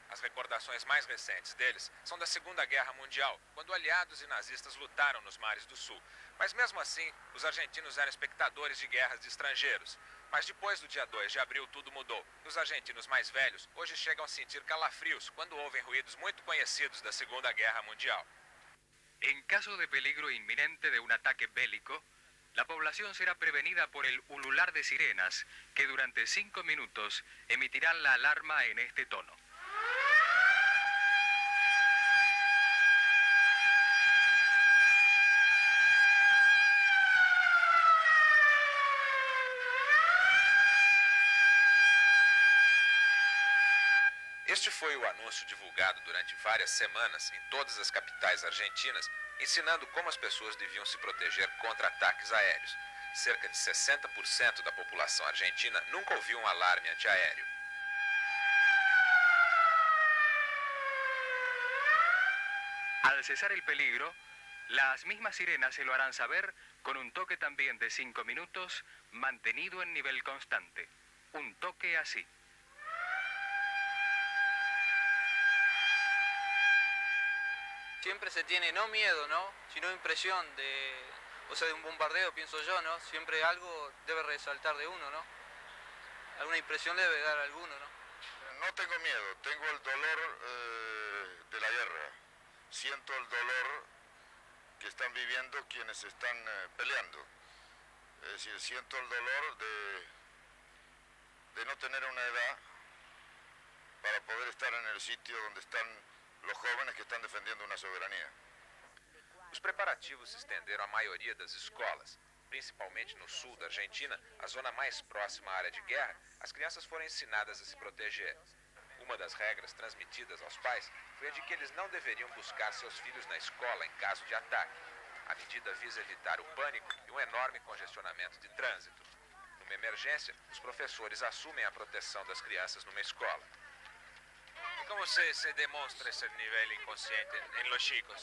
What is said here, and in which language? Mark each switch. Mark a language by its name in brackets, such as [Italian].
[Portuguese] As recordações mais recentes deles são da Segunda Guerra Mundial, quando aliados e nazistas lutaram nos mares do sul. Mas mesmo assim, os argentinos eram espectadores de guerras de estrangeiros. Mas depois do dia 2 de abril, tudo mudou. Os argentinos mais velhos hoje chegam a sentir calafrios quando ouvem ruídos muito conhecidos da Segunda Guerra Mundial. [Spanish] Em caso de peligro iminente de um ataque bélico, la población será prevenida por el ulular de sirenas, que durante 5 minutos emitirán la alarma en este tono. [Portuguese] Este foi o anúncio divulgado durante várias semanas em todas as capitais argentinas, ensinando como as pessoas deviam se proteger contra ataques aéreos. Cerca de 60% da população argentina nunca ouviu um alarme antiaéreo. [Spanish] Al cesar el peligro, las mismas sirenas se lo harán saber con un toque también de 5 minutos mantenido en nivel constante. Un toque así. Siempre se tiene, no miedo, ¿no?, sino impresión de, o sea, de un bombardeo, pienso yo, ¿no? Siempre algo debe resaltar de uno, ¿no? Alguna impresión debe dar a alguno, ¿no? No tengo miedo, tengo el dolor de la guerra. Siento el dolor que están viviendo quienes están peleando. Es decir, siento el dolor de no tener una edad para poder estar en el sitio donde están los jóvenes que están defendiendo una soberanía. [Portuguese] Os preparativos se estenderam à maioria das escolas. Principalmente no sul da Argentina, a zona mais próxima à área de guerra, as crianças foram ensinadas a se proteger. Uma das regras transmitidas aos pais foi a de que eles não deveriam buscar seus filhos na escola em caso de ataque. A medida visa evitar o pânico e um enorme congestionamento de trânsito. Numa emergência, os professores assumem a proteção das crianças numa escola. [Spanish] ¿Cómo se demuestra ese nivel inconsciente en los chicos?